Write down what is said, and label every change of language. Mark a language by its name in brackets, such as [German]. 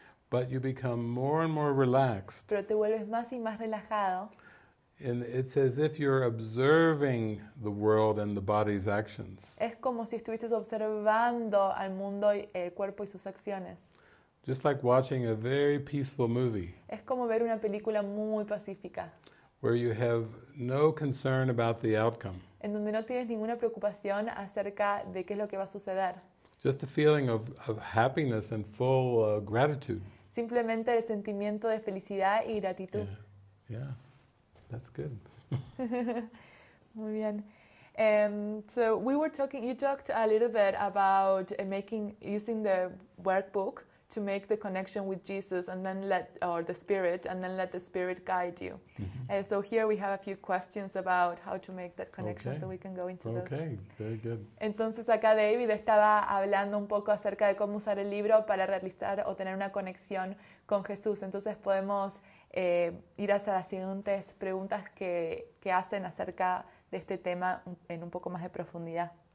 [English] But you become more and more relaxed. [Spanish] Pero te vuelves más y más relajado. [English] And it's as if you're observing the world and the body's actions. [Spanish] Es como si estuvieses observando al mundo y el cuerpo y sus acciones. [English] Just like watching a very peaceful movie. [Spanish] Es como ver una película muy pacífica. [English] Where you have no concern about the outcome. [Spanish] En donde no tienes ninguna preocupación acerca de qué es lo que va a suceder. [English] Just a feeling of happiness and full gratitude. [Spanish] Simplemente el sentimiento de felicidad y gratitud. [English] Yeah. Yeah. That's good. [Spanish] Muy bien. [English] So we were talking, you talked a little bit about using the workbook to make the connection with Jesus and then let the spirit guide you. Mm-hmm. So here we have a few questions about how to make that connection, okay. So we can go into those. Okay, very good. [Spanish] Entonces acá David estaba hablando un poco acerca de cómo usar el libro para realizar o tener una conexión con Jesús. Entonces podemos ir hacia las siguientes preguntas que hacen acerca de este tema en un poco más de profundidad.